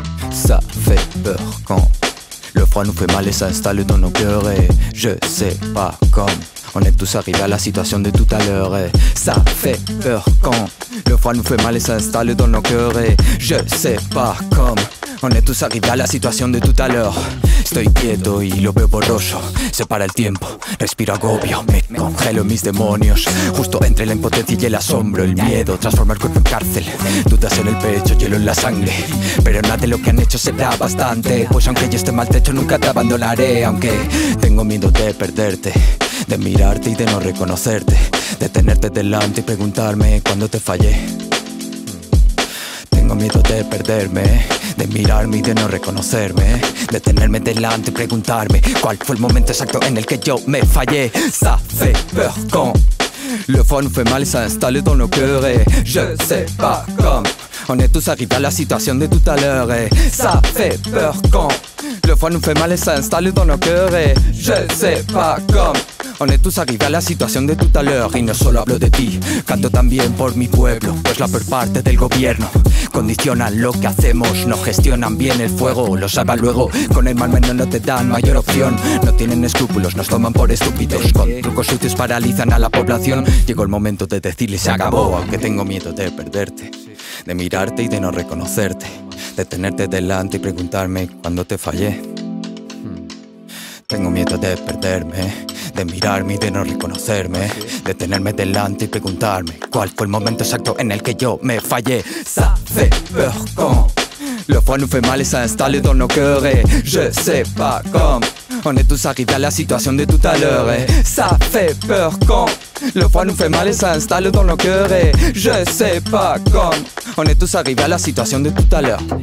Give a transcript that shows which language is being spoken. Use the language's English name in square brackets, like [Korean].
[French] Ça fait peur quand le froid nous fait mal et s'installe dans nos cœurs. Et je sais pas comment on est tous arrivés à la situation de tout à l'heure. Et ça fait peur quand le froid nous fait mal et s'installe dans nos cœurs. Et je sais pas comment on est tous arrivés à la situation de tout à l'heure. [Spanish] Estoy quieto y lo veo borroso. Se para el tiempo, respiro agobio. Me congelo mis demonios. Justo entre la impotencia y el asombro. El miedo transforma el cuerpo en cárcel. Dudas en el pecho, hielo en la sangre. Pero nada de lo que han hecho será bastante. Pues aunque yo esté maltrecho nunca te abandonaré. Aunque tengo miedo de perderte, de mirarte y de no reconocerte, de tenerte delante y preguntarme cuándo te fallé. Tengo miedo de perderme, de mirarme y de no reconocerme, de tenerme delante y preguntarme cuál fue el momento exacto en el que yo me fallé. [French] Ça fait peur quand le froid nous fait mal et s'installe dans nos cœurs. Je sais pas comment on est tous arrivés à la situation de tout à l'heure. Ça fait peur quand le froid nous fait mal et s'installe dans nos cœurs. Je sais pas comment on est tous arrivés à la situation de tout à l'heure. [Spanish] Y no solo hablo de ti, canto también por mi pueblo. Pues la peor parte del gobierno condicionan lo que hacemos. No gestionan bien el fuego, lo salva luego. Con el mal menor no te dan mayor opción. No tienen escrúpulos, nos toman por estúpidos. Con trucos sucios paralizan a la población. Llegó el momento de decirles se acabó. Aunque tengo miedo de perderte, de mirarte y de no reconocerte, de tenerte delante y preguntarme cuándo te fallé. Tengo miedo de perderme, de mirarme y de no reconocerme, de tenerme delante y preguntarme cuál fue el momento exacto en el que yo me fallé. [French] Ça fait peur quand le froid nous fait mal et s'installe dans nos cœurs. Je sais pas comment on est tous arrivés à la situation de tout à l'heure. Ça fait peur quand le froid nous fait mal et s'installe dans nos cœurs. Je sais pas comment on est tous arrivés à la situation de tout à l'heure.